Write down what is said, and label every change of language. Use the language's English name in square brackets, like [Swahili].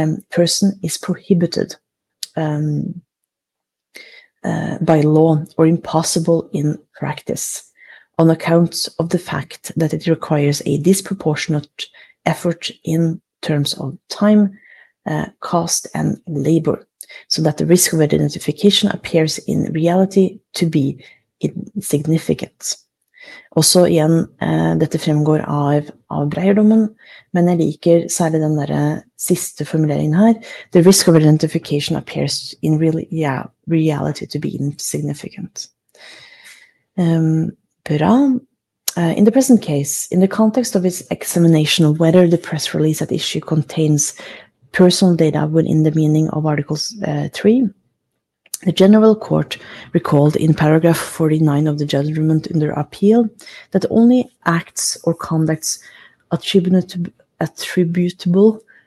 [English] person is prohibited by law or impossible in practice, on account of the fact that it requires a disproportionate effort in terms of time, cost, and labor, so that the risk of identification appears in reality to be insignificant. [Norwegian] Også igjen, dette fremgår av Breyer-dommen, men jeg liker særlig den der siste formuleringen her. [English] The risk of identification appears in reality to be insignificant. [Norwegian] Bra. [English] In the present case, in the context of its examination of whether the press release at issue contains personal data within the meaning of Article 3, the General Court recalled in paragraph 49 of the judgment under appeal that only acts or conducts attributable